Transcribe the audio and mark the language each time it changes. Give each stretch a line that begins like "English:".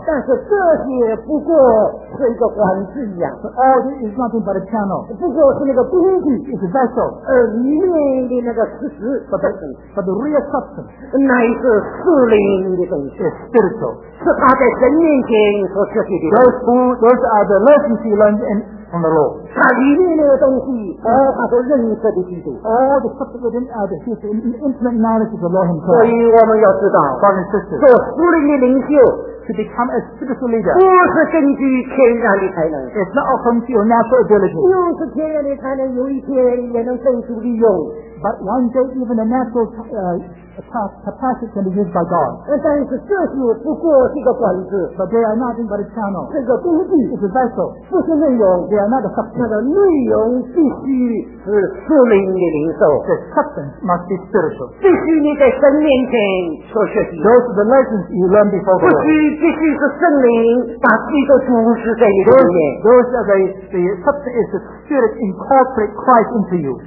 Chinese: 但是这些不过是一个管子一样
English: ，all this is nothing but a channel。
Chinese: 不过是那个工具
English: ，is a vessel。
Chinese: 里面的那个实质
English: ，but the real substance，
Chinese: 那一个树林的东西
English: ，spiritual。
Chinese: 是他在神面前所学习的。
English: Those are the lessons he learned in from the Lord。
Chinese: 他里面那个东西，他所认识的基督。
English: All the substance within are the his intimate knowledge of the Lord himself。
Chinese: 所以我们要知道
English: ，brothers and sisters，
Chinese: 做属灵的领袖。
English: To become a spiritual leader,
Chinese: 不是根据天然的才能
English: it's not according to your natural ability.
Chinese: 又是天然的才能，有一天也能受主利用
English: But one day, even a natural capacity can be used by God.
Chinese: 但是这是不过是一个管子
English: But they are nothing but a channel.
Chinese: 这个工具
English: is a vessel.
Chinese: 不是内容
English: they are not a substance.
Chinese: 那个内容必须是属灵的灵受
English: The substance must be spiritual.
Chinese: 必须你在神面前所学习
English: Those are the lessons you learn before God.
Chinese: 必须是圣灵把基督注入在你的里面。
English: Those are the substance is the spirit incorporate Christ into you.